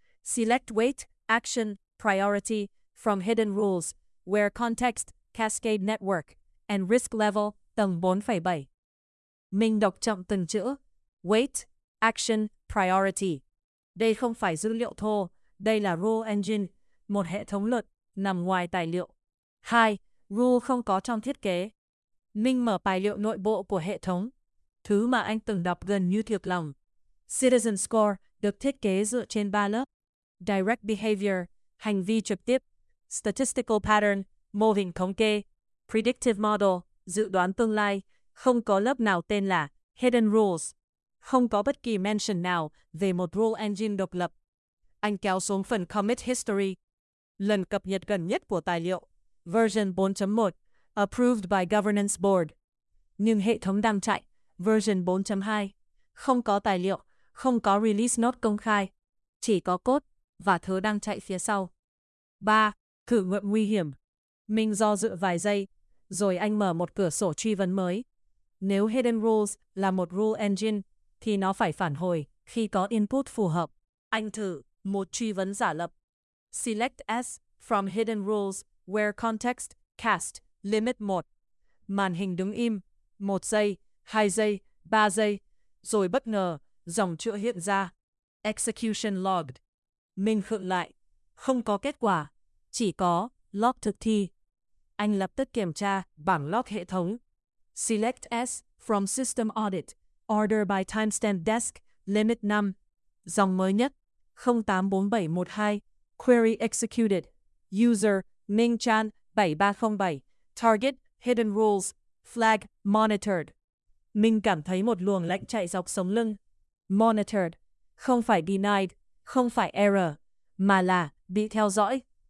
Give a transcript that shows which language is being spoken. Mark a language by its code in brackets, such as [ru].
[en] Select weight, action, priority from hidden rules where context, cascade network and risk level tầng 4.7. [vi] Minh đọc chậm từng chữ. [en] Weight, action, priority. [vi] Đây không phải dữ liệu thô, đây là rule engine, một hệ thống luật nằm ngoài tài liệu. 2. Rule không có trong thiết kế. Minh mở tài liệu nội bộ của hệ thống, thứ mà anh từng đọc gần như thiệt lòng. Citizen score được thiết kế dựa trên 3 lớp. [en] Direct behavior, [vi] hành vi trực tiếp. [en] Statistical pattern, [vi] mô hình thống kê. [en] Predictive model, [vi] dự đoán tương lai. Không có lớp nào tên là hidden rules. Không có bất kỳ mention nào về một rule engine độc lập. Anh kéo xuống phần commit history. Lần cập nhật gần nhất của tài liệu. [en] Version 4.1, approved by governance board. [vi] Nhưng hệ thống đang chạy. [en] Version 4.2, [vi] không có tài liệu, không có release note công khai. Chỉ có code và thứ đang chạy phía sau. 3. Thử nghiệm nguy hiểm. Minh do dự vài giây, rồi anh mở một cửa sổ truy vấn mới. Nếu hidden rules là một rule engine, thì nó phải phản hồi khi có input phù hợp. Anh thử một truy vấn giả lập. [en] Select S from hidden rules where context, cast, limit 1. [vi] Màn hình đứng im, 1 giây, 2 giây, 3 giây, rồi bất ngờ, dòng chữ hiện ra. [en] Execution logged. [vi] Minh khựng lại, không có kết quả, chỉ có log thực thi. Anh lập tức kiểm tra bảng log hệ thống. [en] Select S from system audit, order by timestamp desk, limit 5. [vi] Dòng mới nhất, 084712, [en] query executed. User, Minh Chan, 7307. Target, hidden rules, flag, monitored. [vi] Minh cảm thấy một luồng lạnh chạy dọc sống lưng. Monitored, không phải denied, không phải error, mà là bị theo dõi.